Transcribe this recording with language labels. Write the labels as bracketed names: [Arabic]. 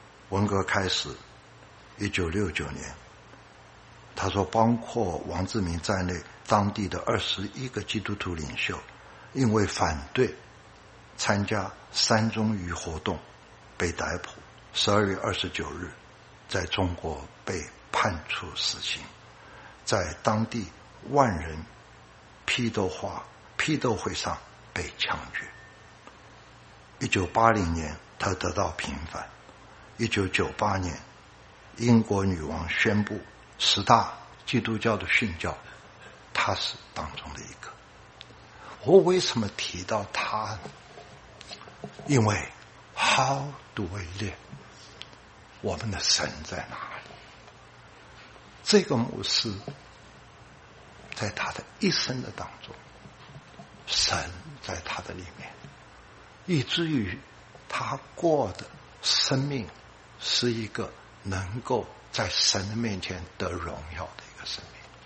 [Chinese] 文革开始1969年，他说包括王志民在内当地的21个基督徒领袖因为反对参加三中余活动被逮捕，12月29日在中国被判处死刑，在当地万人批斗会上被枪决。 1980年他得到平反，1998年英国女王宣布十大基督教的殉教，他是当中的一个。我为什么提到他？因为 [English] How do we live？ [Chinese] 我们的神在哪里？这个牧师在他的一生的当中，神在他的里面，以至于他过的生命是一个能够在神的面前得荣耀的一个生命。